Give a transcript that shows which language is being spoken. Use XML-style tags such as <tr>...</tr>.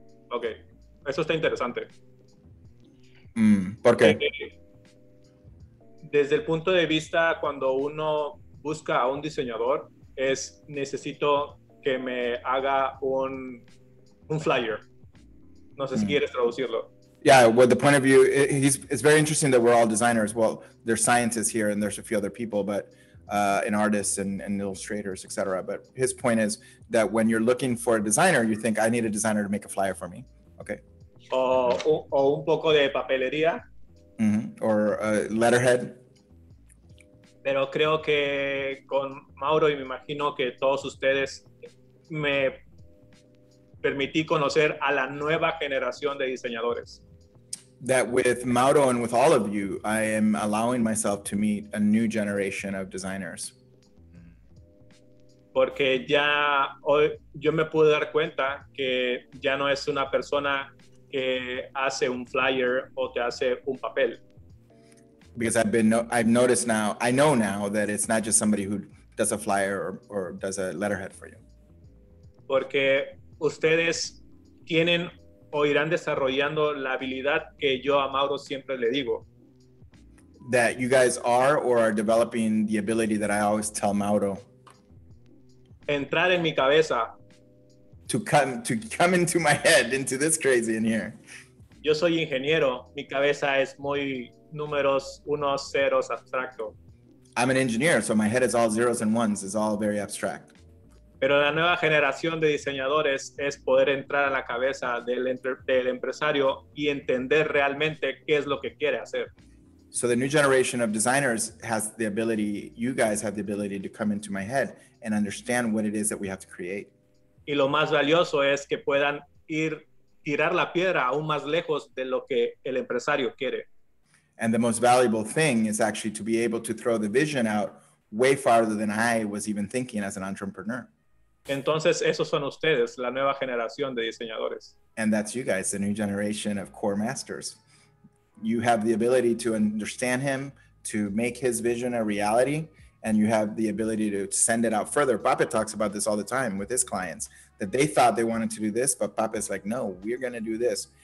<es>Ok, eso está interesante. ¿Por qué? Desde el punto de vista cuando uno busca a un diseñador, es necesito que me haga un flyer. No sé si quieres traducirlo.</es> <en>Yeah, with the point of view, it's very interesting that we're all designers. Well, there's scientists here and there's a few other people, but and artists and illustrators, etc. But his point is that when you're looking for a designer, you think I need a designer to make a flyer for me. Okay.</en> <es>O un poco de papelería.</es> <en>Mm-hmm. Or a letterhead.</en> <es>Pero creo que con Mauro y me imagino que todos ustedes me permití conocer a la nueva generación de diseñadores.</es> <en>That with Mauro and with all of you, I am allowing myself to meet a new generation of designers.</en> <es>Porque ya hoy yo me pude dar cuenta que ya no es una persona que hace un flyer o te hace un papel.</es> <en>Because I know now that it's not just somebody who does a flyer or does a letterhead for you.</en> <es>Porque ustedes tienen o irán desarrollando la habilidad que yo a Mauro siempre le digo.</es> <en>That you guys are or are developing the ability that I always tell Mauro.</en> <es>Entrar en mi cabeza.</es> <en>To come into my head, into this crazy in here.</en> <es>Yo soy ingeniero, mi cabeza es muy números unos ceros abstracto.</es> <en>I'm an engineer, so my head is all zeros and ones. It's all very abstract.</en> <es>Pero la nueva generación de diseñadores es poder entrar a la cabeza del empresario y entender realmente qué es lo que quiere hacer.</es> <en>So the new generation of designers has the ability, you guys have the ability to come into my head and understand what it is that we have to create.</en> <es>Y lo más valioso es que puedan ir tirar la piedra aún más lejos de lo que el empresario quiere.</es> <en>And the most valuable thing is actually to be able to throw the vision out way farther than I was even thinking as an entrepreneur.</en> <es>Entonces, esos son ustedes, la nueva generación de diseñadores.</es> <en>And that's you guys, the new generation of core masters. You have the ability to understand him, to make his vision a reality, and you have the ability to send it out further. Pape talks about this all the time with his clients, that they thought they wanted to do this, but Pape's like, no, we're going to do this.</en>